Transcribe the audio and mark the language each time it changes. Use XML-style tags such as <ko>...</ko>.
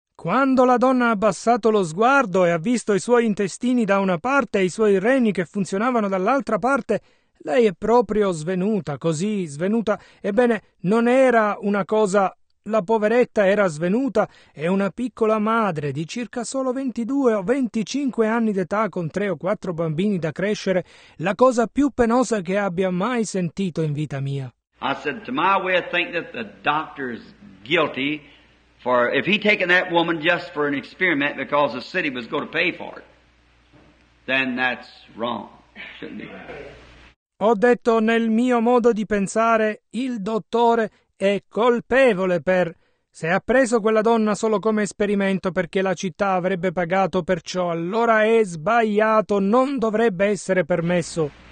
<it>Quando la donna ha abbassato lo sguardo e ha visto i suoi intestini da una parte e i suoi reni che funzionavano dall'altra parte, lei è proprio svenuta, così svenuta. Ebbene, non era una cosa La poveretta era svenuta e una piccola madre di circa solo 22 o 25 anni d'età con 3 o 4 bambini da crescere, la cosa più penosa che abbia mai sentito in vita mia.</it> <en>I said, to my way of thinking that the doctor's guilty for if he taken that woman just for an experiment because the city was going to pay for it, then that's wrong, shouldn't he?</en> <it>Ho detto, nel mio modo di pensare, il dottore è colpevole per se ha preso quella donna solo come esperimento perché la città avrebbe pagato per ciò, allora è sbagliato, non dovrebbe essere permesso.</it>